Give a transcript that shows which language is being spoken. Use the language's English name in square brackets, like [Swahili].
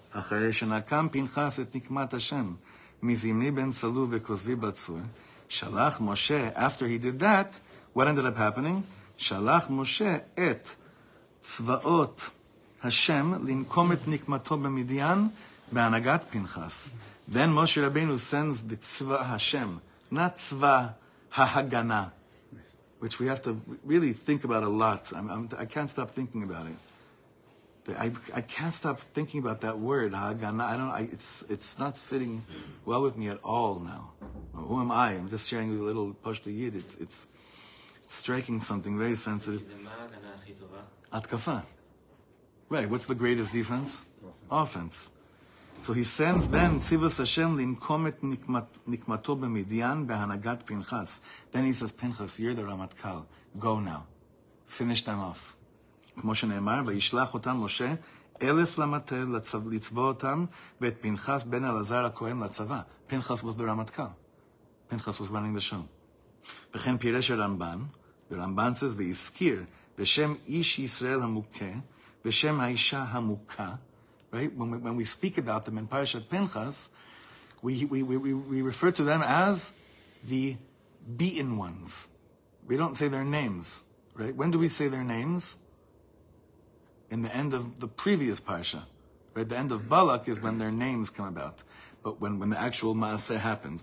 [Hebrew] אחרי שנקם פנחס את נקמת השם, מזימני בן צלו וכוזבי בצור, שלח משה, [English] after he did that, what ended up happening? [Hebrew] שלח משה את צבאות השם לנקום את נקמתו במדיין בהנהגת פנחס. [English] Then Moshe Rabbeinu sends the [Hebrew] צבא השם, [English] not [Hebrew] צבא ההגנה, [English] which we have to really think about a lot. I can't stop thinking about it. I can't stop thinking about that word, Hagana. It's not sitting well with me at all now. Who am I? I'm just sharing with a little Pashto Yid. It's striking something very sensitive. Atkafa. Right, what's the greatest defense? Offense. So he sends then Tzivus Hashem [Hebrew] linkomet nikmato b'midian behanagat Pinchas. [English] Then he says, Pinchas, you're the Ramatkal. Go now. Finish them off. [Hebrew] כמו שנאמר, וישלח אותם משה, אלף למטה לצבא אותם, ואת פנחס בן אלעזר הכהן לצבא. פנחס [English] was the [Hebrew] רמטכ"ל. פנחס [English] was running the show. [Hebrew] וכן פירש הרמב"ן, ורמב"ן [English] says, [Hebrew] והזכיר בשם איש ישראל המוכה, בשם האישה המוכה, [English] right? When we speak about them in פרשת פנחס, we refer to them as the beaten ones. We don't say their names, right? When do we say their names? In the end of the previous parsha, right? The end of Balak is when their names come about, but when the actual maaseh happens.